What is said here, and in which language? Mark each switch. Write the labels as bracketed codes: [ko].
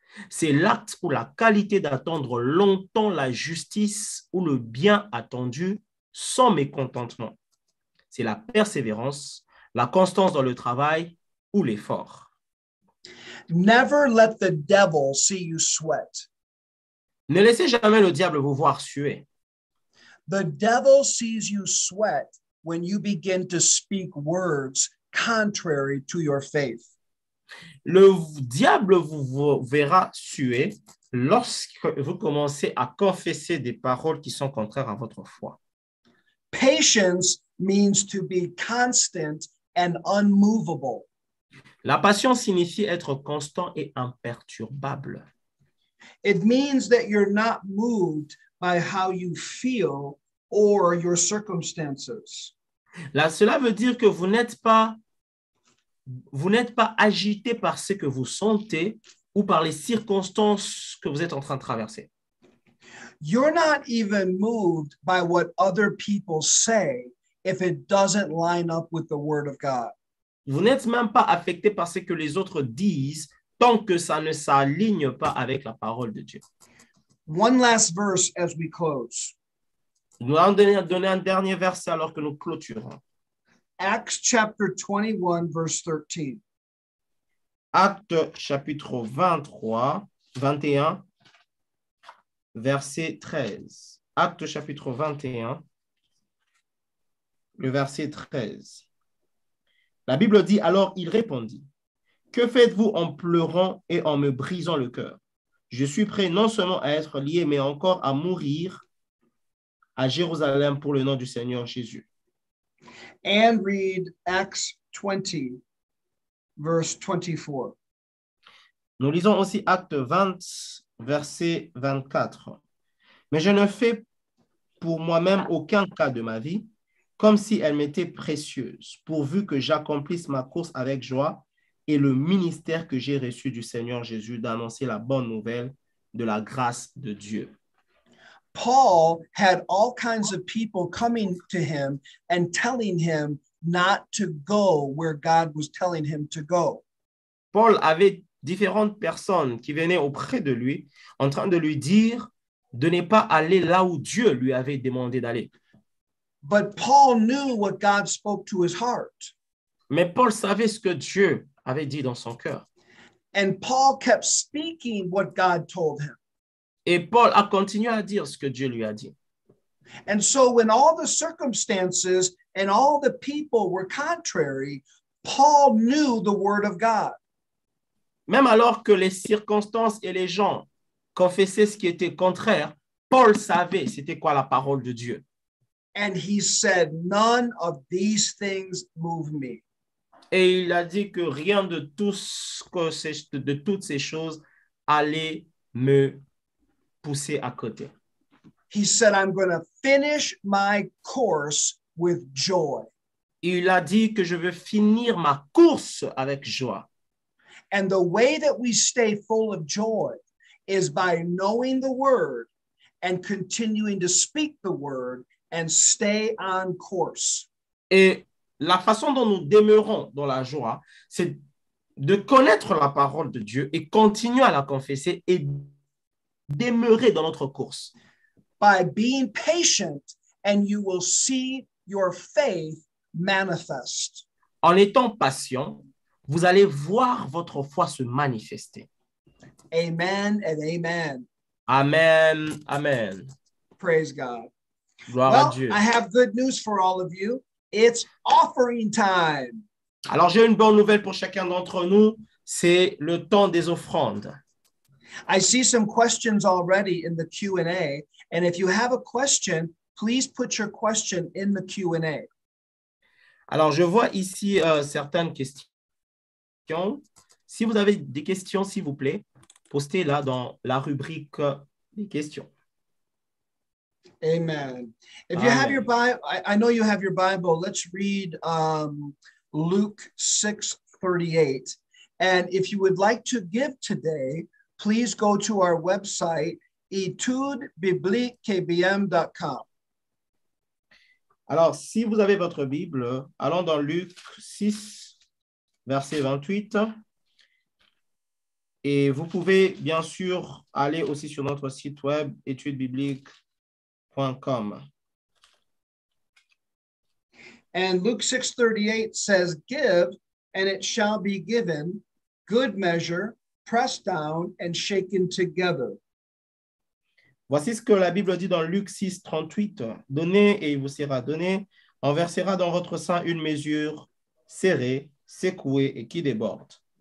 [fr] C'est l'acte ou la qualité d'attendre longtemps la justice ou le bien attendu sans mécontentement. C'est la persévérance, la constance dans le travail ou l'effort. [en] Never let the devil see you sweat. [fr] Ne laissez jamais le diable vous voir suer. [en] The devil sees you sweat when you begin to speak words contrary to your faith. [fr] Le diable vous verra suer lorsque vous commencez à confesser des paroles qui sont contraires à votre foi. [en] Patience means to be constant and unmovable. [fr] La patience signifie être constant et imperturbable. [en] It means that you're not moved by how you feel or your circumstances. [fr] Là, cela veut dire que vous n'êtes pas agité par ce que vous sentez ou par les circonstances que vous êtes en train de traverser. [en] You're not even moved by what other people say if it doesn't line up with the word of God. [fr] Vous n'êtes même pas affecté par ce que les autres disent tant que ça ne s'aligne pas avec la parole de Dieu. [en] One last verse as we close. [fr] Nous allons donner un dernier verset alors que nous clôturons. [en] Acts chapter 21, verse 13. [fr] Acte chapitre 21, verset 13. Acte chapitre 21, le verset 13. La Bible dit, alors il répondit, « Que faites-vous en pleurant et en me brisant le cœur? Je suis prêt non seulement à être lié, mais encore à mourir à Jérusalem pour le nom du Seigneur Jésus. » [en] And read Acts 20, verse 24. [fr] Nous lisons aussi Acte 20, verset 24. Mais je ne fais pour moi-même aucun cas de ma vie, comme si elle m'était précieuse, pourvu que j'accomplisse ma course avec joie et le ministère que j'ai reçu du Seigneur Jésus d'annoncer la bonne nouvelle de la grâce de Dieu. [en] Paul had all kinds of people coming to him and telling him not to go where God was telling him to go. [fr] Paul avait différentes personnes qui venaient auprès de lui en train de lui dire de ne pas aller là où Dieu lui avait demandé d'aller. [en] But Paul knew what God spoke to his heart. [fr] Mais Paul savait ce que Dieu avait dit dans son cœur. [en] And Paul kept speaking what God told him. [fr] Et Paul a continué à dire ce que Dieu lui a dit. [en] And so when all the circumstances and all the people were contrary, Paul knew the word of God. [fr] Même alors que les circonstances et les gens confessaient ce qui était contraire, Paul savait c'était quoi la parole de Dieu. [en] And he said, none of these things move me. [fr] Et il a dit que rien de tout ce que c'est, de toutes ces choses allait me pousser à côté. [en] He said, I'm going to finish my course with joy. [fr] Il a dit que je veux finir ma course avec joie. [en] And the way that we stay full of joy is by knowing the word and continuing to speak the word and stay on course. [fr] Et la façon dont nous demeurons dans la joie, c'est de connaître la parole de Dieu et continuer à la confesser et demeurer dans notre course. [en] By being patient, and you will see your faith manifest. [fr] En étant patient, vous allez voir votre foi se manifester. [en] Amen and amen. [fr] Amen, amen. [en] Praise God. [fr] Gloire [en] well, [fr] à Dieu. [en] I have good news for all of you. It's offering time. [fr] Alors, j'ai une bonne nouvelle pour chacun d'entre nous. C'est le temps des offrandes. [en] I see some questions already in the Q&A. And if you have a question, please put your question in the Q&A. [fr] Alors, je vois ici certaines questions. Si vous avez des questions, s'il vous plaît, postez-la dans la rubrique des questions. [en] Amen. If you have your Bible, I know you have your Bible. Let's read Luke 6:38. And if you would like to give today, please go to our website, etudebibliquekbm.com. [fr] Alors, si vous avez votre Bible, allons dans Luc 6, verset 28. Et vous pouvez, bien sûr, aller aussi sur notre site web, etudebibliquekbm.com. [en] And Luke 6:38 says, give and it shall be given, good measure, pressed down and shaken together. [fr] Voici ce que la Bible dit dans Luc 6:38. Donnez et il vous sera donné, on versera dans votre sein une mesure serrée, secouée et qui déborde.